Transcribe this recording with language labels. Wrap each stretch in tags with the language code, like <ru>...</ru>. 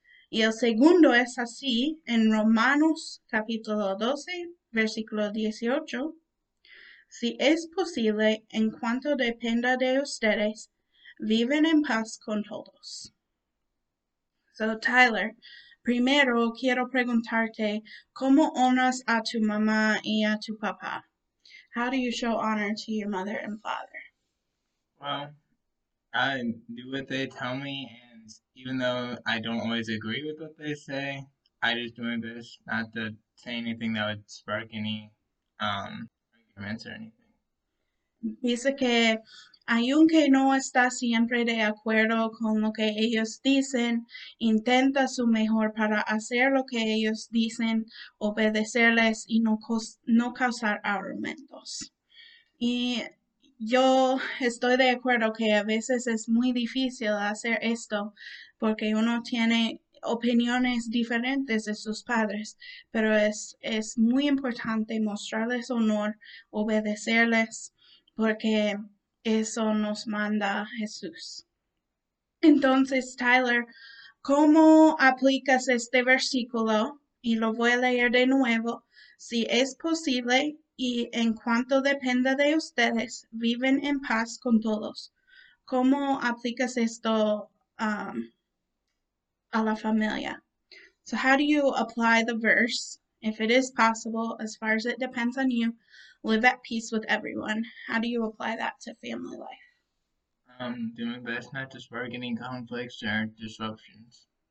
<es>Y el segundo es así en Romanos capítulo 12, versículo 18. Si es posible, en cuanto dependa de ustedes, viven en paz con todos. So, Tyler, primero quiero preguntarte, ¿cómo honras a tu mamá y a tu papá?</es> <en>How do you show honor to your mother and father? Well, I do what they tell me, and even though I don't always agree with what they say, I just do my best not to say anything that would spark any arguments or anything.</en> <es>Dice que aunque no está siempre de acuerdo con lo que ellos dicen, intenta su mejor para hacer lo que ellos dicen, obedecerles y no causar argumentos. Y yo estoy de acuerdo que a veces es muy difícil hacer esto porque uno tiene opiniones diferentes de sus padres, pero es muy importante mostrarles honor, obedecerles, porque eso nos manda Jesús. Entonces, Tyler, ¿cómo aplicas este versículo? Y lo voy a leer de nuevo. Si es posible y en cuanto dependa de ustedes, viven en paz con todos. ¿Cómo aplicas esto a la familia?</es> <en>So, how do you apply the verse? If it is possible, as far as it depends on you, live at peace with everyone. How do you apply that to family life? Do my best not to spark any conflicts or disruptions.</en>